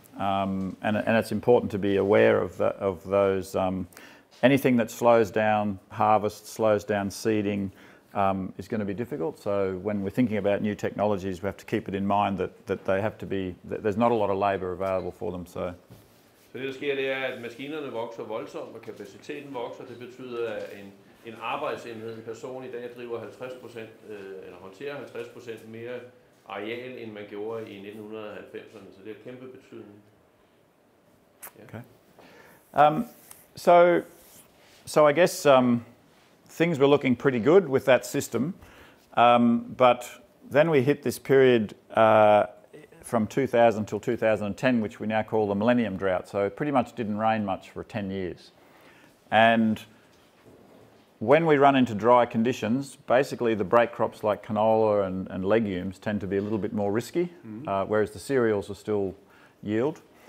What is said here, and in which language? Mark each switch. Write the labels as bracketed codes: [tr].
[en] And it's important to be aware of those. Anything that slows down harvest, slows down seeding, is going to be difficult. So when we're thinking about new technologies, we have to keep it in mind that they have to be. That there's not a lot of labour available for them. So [da] det der sker, det er, at maskinerne vokser voldsomt, og kapaciteten vokser. Det betyder, at en arbejdsenhed, en person i dag driver 50% eller håndterer 50% mere areal, end man gjorde i 1990'erne. Så det er kæmpe betydning. Yeah. Okay. [en] So I guess things were looking pretty good with that system, but then we hit this period from 2000 till 2010, which we now call the Millennium Drought. So it pretty much didn't rain much for 10 years. And when we run into dry conditions, basically the break crops like canola and legumes tend to be a little bit more risky, whereas the cereals are still yield.